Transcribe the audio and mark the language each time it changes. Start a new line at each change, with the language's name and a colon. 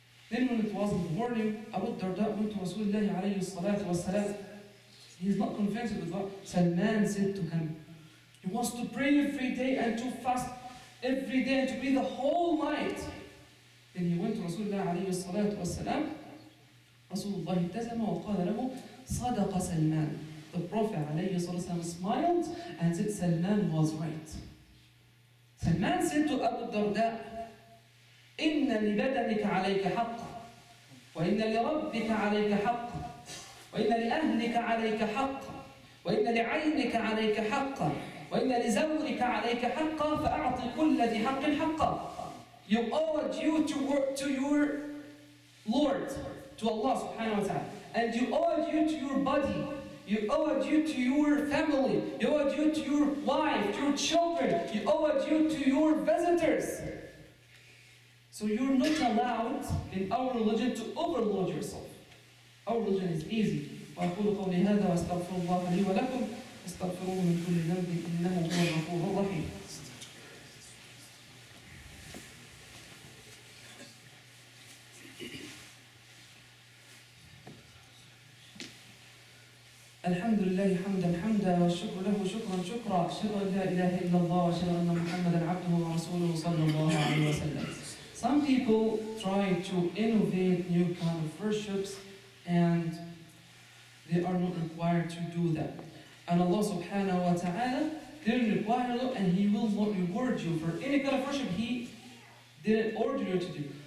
English: Then when it was the morning, Abu Darda went to Rasulullah alayhi salatu wa salam. He's not convinced with what Salman said to him. He wants to pray every day and to fast every day and to pray the whole night. Then he went to Rasulullah
Arabic: عليه الصلاة والسلام. Rasulullah التزم وقال له صدق سلمان.
English: The Prophet
Arabic: عليه الصلاة والسلام
English: smiled and said Salman was right.
Arabic: سلمان
English: said to Abu Darda,
Arabic: إن لبدنك عليك حق وإن لربك عليك حق وإن لأهلك عليك حق وإن لعينك عليك حق وإن لزورك عليك حق فأعطي كل ذي حق حق.
English: You owe a duty to your Lord, to Allah subhanahu wa ta'ala. And you owe a duty to your body. You owe a duty to your family. You owe a duty to your wife, to your children. You owe a duty to your visitors. So you're not allowed in our religion to overload yourself. Our religion is easy.
Arabic: وأقول قولي هذا وأستغفر الله لي ولكم استغفروه من كل ذنب إنه هو الغفور الرحيم. الحمد لله حمدا حمدا والشكر له شكرا شكرا أشهد أن لا إله إلا الله وأشهد أن محمدا عبده ورسوله صلى الله عليه وسلم.
English: Some people try to innovate new kind of worships and they are not required to do that. And Allah subhanahu wa ta'ala didn't require you and He will not reward you for any kind of worship He didn't order you to do.